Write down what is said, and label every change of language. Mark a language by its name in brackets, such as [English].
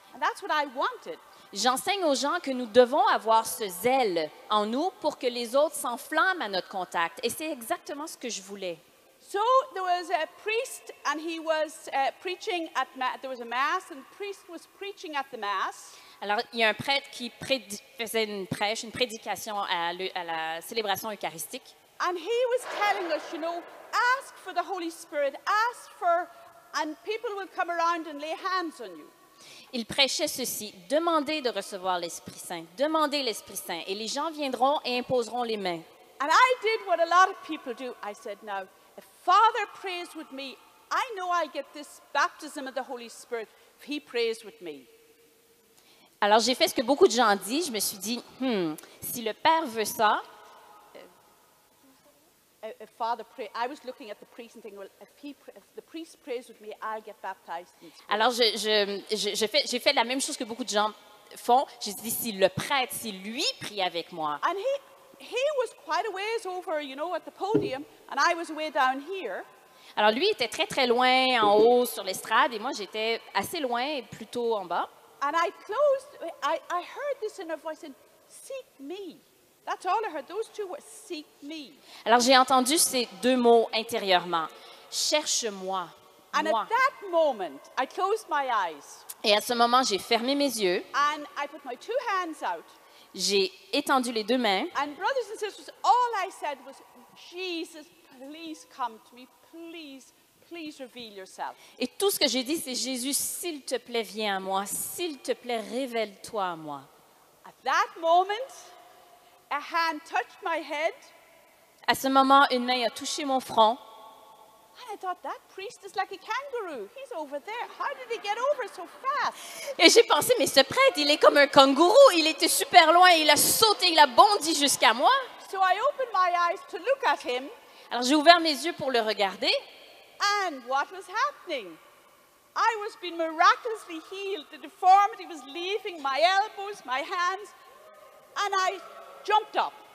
[English] And that's what I wanted. [French] J'enseigne aux gens que nous devons avoir ce zèle en nous pour que les autres s'enflamment à notre contact. Et c'est exactement ce que je voulais. [English] So there was a priest and he was preaching at there was a mass and the priest was preaching at the mass. [French] Alors il y a un prêtre qui faisait une prêche, une prédication à la célébration eucharistique. [English] And he was telling us, you know, ask for the Holy Spirit, ask for and people will come around and lay hands on you. [French] Il prêchait ceci, demandez de recevoir l'Esprit Saint, demandez l'Esprit Saint et les gens viendront et imposeront les mains. [English] And I did what a lot of people do. I said now Father prays with me. I know I get this baptism of the Holy Spirit if he prays with me. [French] Alors j'ai fait ce que beaucoup de gens disent. Je me suis dit, si le Père veut ça. [English] If Father prays, I was looking at the priest and thinking, well, if the priest prays with me, I'll get baptized. [French] Alors j'ai fait la même chose que beaucoup de gens font. J'ai dit, si le prêtre, si lui prie avec moi. [English] And he was quite a ways over, you know, at the podium, and I was way down here. [French] Alors, lui était très, très loin en haut sur l'estrade et moi, j'étais assez loin, plutôt en bas. [English] And I closed, I heard this in her voice and seek me. That's all I heard. Those two were seek me. [French] Alors, j'ai entendu ces deux mots intérieurement. Cherche-moi. [English] And [French] moi. [English] At that moment, I closed my eyes. [French] Et à ce moment, j'ai fermé mes yeux. [English] And I put my two hands out. [French] J'ai étendu les deux mains. [English] And brothers and sisters, all I said was, Jesus, please come to me. Please, please reveal yourself. [French] Et tout ce que j'ai dit, c'est Jésus, s'il te plaît, viens à moi. S'il te plaît, révèle-toi à moi. [English] At that moment, a hand touched my head. [French] À ce moment, une main a touché mon front. [English] And I thought that priest is like a kangaroo. He's over there. How did he get over so fast? [French] Et j'ai pensé, mais ce prêtre, il est comme un kangourou. Il était super loin. Il a sauté. Il a bondi jusqu'à moi. [English] So I opened my eyes to look at him. [French] Alors j'ai ouvert mes yeux pour le regarder. [English] And what was happening? I was being miraculously healed. The deformity was leaving my elbows, my hands, and I jumped up.